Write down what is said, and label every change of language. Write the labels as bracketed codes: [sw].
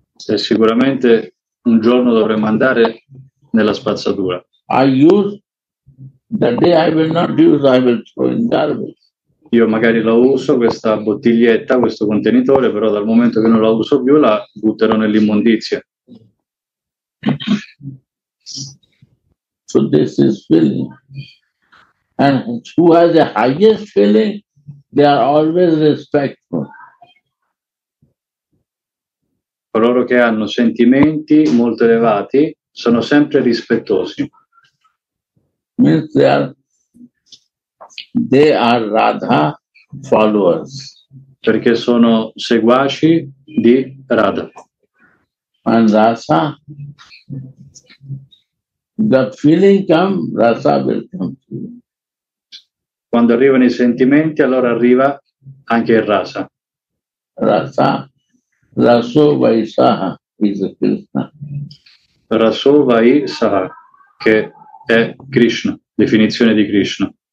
[it] E sicuramente un giorno dovremmo andare nella spazzatura. [en] I use the day I will not use, I will throw in garbage. [it] Io magari la uso questa bottiglietta, questo contenitore, però dal momento che non la uso più la butterò nell'immondizia. [en] So this is feeling. And who has the highest feeling, they are always respectful. [it] Coloro che hanno sentimenti molto elevati sono sempre rispettosi. [en] Means they are Radha followers. [it] Perché sono seguaci di Radha. [en] And Rasa, the feeling come, Rasa will come to you. [it] Quando arrivano i sentimenti, allora arriva anche il Rasa. [en] Rasa, Raso Vaisaha is Krishna. [it] Raso Vaisaha, che è Krishna, definizione di Krishna.